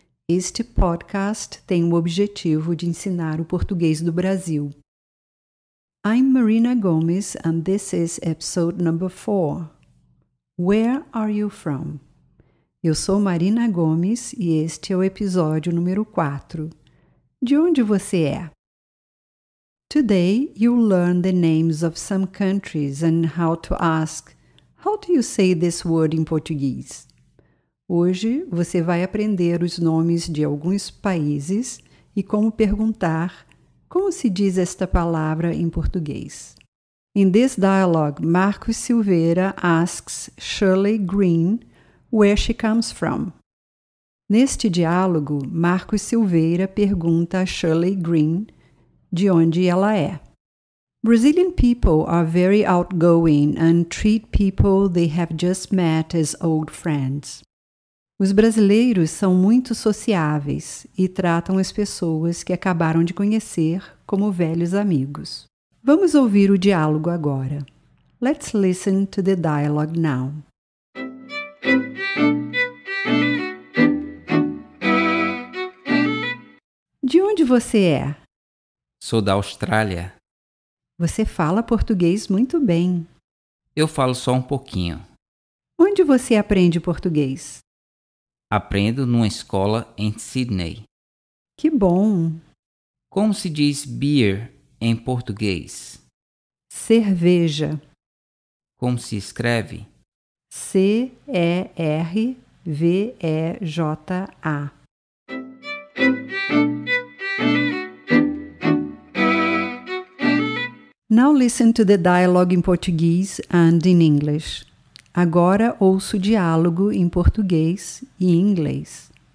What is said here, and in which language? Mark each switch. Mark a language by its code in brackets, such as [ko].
[pt] Este podcast tem o objetivo de ensinar o português do Brasil. [en] I'm Marina Gomes and this is episode number 4. Where are you from? [pt] Eu sou Marina Gomes e este é o episódio número 4. De onde você é? [en] Today you'll learn the names of some countries and how to ask, how do you say this word in Portuguese? [pt] Hoje você vai aprender os nomes de alguns países e como perguntar como se diz esta palavra em português. [en] In this dialogue, Marcos Silveira asks Shirley Green where she comes from. [pt] Neste diálogo, Marcos Silveira pergunta a Shirley Green de onde ela é. [en] Brazilian people are very outgoing and treat people they have just met as old friends. [pt] Os brasileiros são muito sociáveis e tratam as pessoas que acabaram de conhecer como velhos amigos. Vamos ouvir o diálogo agora. [en] Let's listen to the dialogue now. [pt] De onde você é? Sou da Austrália. Você fala português muito bem. Eu falo só um pouquinho. Onde você aprende português? Aprendo numa escola em Sydney. Que bom! Como se diz beer em português? Cerveja. Como se escreve? C-E-R-V-E-J-A. [en] Now listen to the dialogue in Portuguese and in English. [pt] Agora ouço o diálogo em português e em inglês.